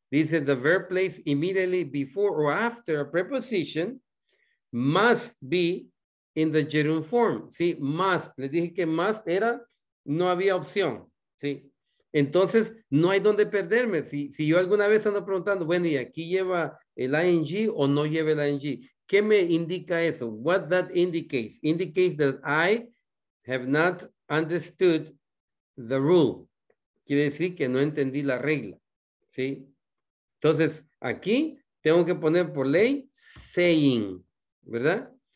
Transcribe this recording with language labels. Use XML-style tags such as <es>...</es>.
<en>Dice, the verb place immediately before or after a preposition must be in the gerund form.</en> <es>Sí, must. Les dije que must era, no había opción. Sí. Entonces, no hay donde perderme. Si yo alguna vez ando preguntando, bueno, ¿y aquí lleva el ing o no lleva el ing? ¿Qué me indica eso?</es> <en>What that indicates? Indicates that I have not understood the rule.</en> <es>Quiere decir que no entendí la regla. Sí. Entonces, aquí tengo que poner por ley saying, ¿verdad?</es>